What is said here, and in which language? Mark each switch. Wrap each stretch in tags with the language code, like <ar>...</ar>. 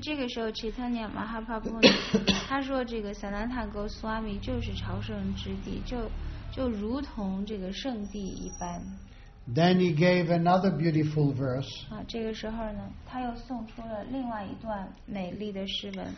<zh>所以这个时候 Chaitanya Mahaprabhu 他说这个 Sanatana Goswami 就是朝圣之地，就如同这个圣地一般。</zh> <en>Then he gave another beautiful verse.</en> <zh>这个时候呢，他又送出了另外一段美丽的诗文。</zh>